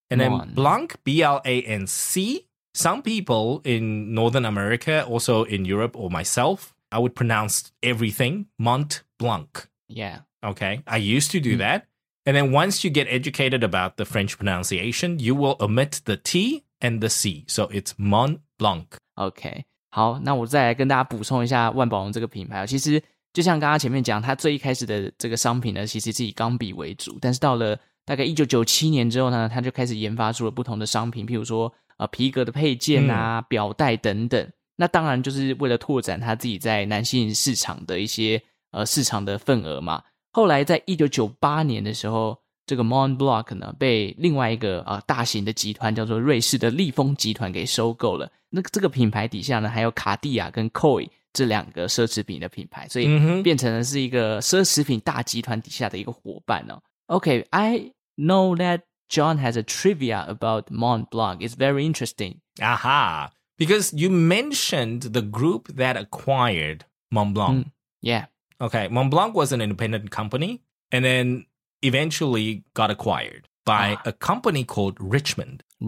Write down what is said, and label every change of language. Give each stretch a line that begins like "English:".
English: And then Blanc, B-L-A-N-C. Some people in Northern America, also in Europe or myself, I would pronounce everything Mont Blanc. Yeah. Okay. I used to do that. And then once you get educated about the French pronunciation, you will omit the T and the C. So it's Mont Blanc. Okay.
Chinese: 好，那我再来跟大家补充一下万宝龙这个品牌。其实就像刚刚前面讲，它最一开始的这个商品呢，其实是以钢笔为主。但是到了大概1997年之后呢，它就开始研发出了不同的商品，譬如说皮革的配件啊、表带等等。那当然就是为了拓展它自己在男性市场的一些市场的份额嘛。后来在1998年的时候，这个 Montblanc 呢被另外一个大型的集团叫做瑞士的利丰集团给收购了。那这个品牌底下呢还有卡地亚跟 Coy 这两个奢侈品的品牌，所以变成了是一个奢侈品大集团底下的一个伙伴哦。
English: Okay, I know that John has a trivia about Montblanc. It's very interesting. Aha, because you mentioned the group that acquired Montblanc. Yeah. Okay, Montblanc was an independent company and then eventually got acquired by a company called Richmond.